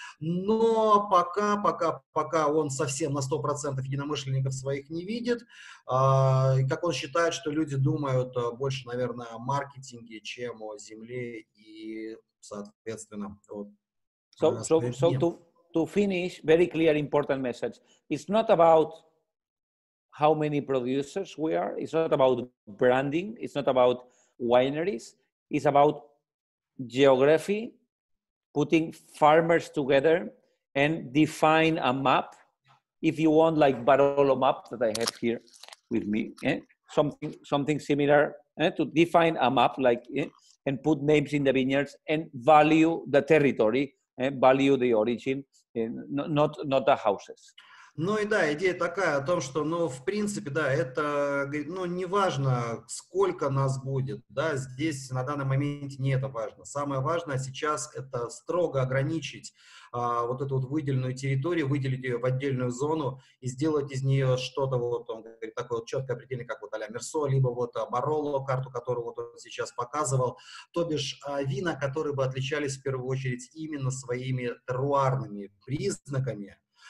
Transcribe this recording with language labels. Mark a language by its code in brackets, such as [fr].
[ru] Но пока он совсем на 100% единомышленников своих не видит. Как он считает, что люди думают больше, наверное, о маркетинге, чем о земле и, соответственно, о... [en] So to finish, very clear, important message. It's not about how many producers we are. It's not about branding. It's not about wineries. It's about geography, putting farmers together and define a map. If you want, like Barolo map that I have here with me, something similar to define a map like and put names in the vineyards and value the territory. Value the origin, not the houses. [ru] Ну и да, идея такая о том, что, ну, в принципе, да, это, ну, не важно, сколько нас будет, да, здесь на данный моменте не это важно. Самое важное сейчас это строго ограничить вот эту вот выделенную территорию, выделить ее в отдельную зону и сделать из нее что-то вот, он говорит, такое вот четкое определение, как вот а-ля Мерсо, либо вот Бароло, карту, которую вот он сейчас показывал, то бишь вина, которые бы отличались в первую очередь именно своими теруарными признаками.